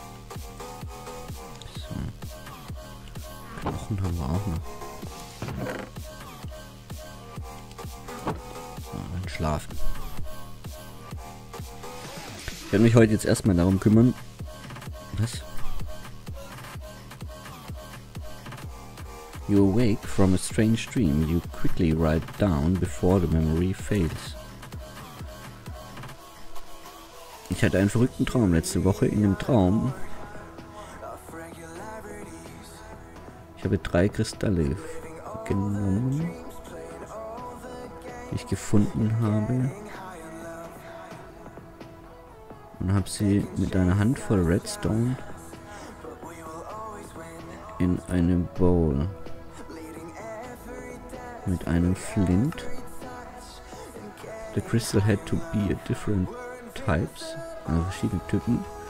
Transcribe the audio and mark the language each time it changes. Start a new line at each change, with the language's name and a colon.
German: So. Knochen haben wir auch noch. So, dann schlafen. Ich werde mich heute jetzt erstmal darum kümmern. Was?
English: You awake from a strange dream. You quickly write down before the memory fails.
German: Ich hatte einen verrückten Traum letzte Woche. In dem Traum, ich habe drei Kristalle genommen, die ich gefunden habe, und habe sie mit einer Handvoll Redstone in einem Bowl mit einem Flint.
English: The crystal had to be a different types,
German: also verschiedene Typen.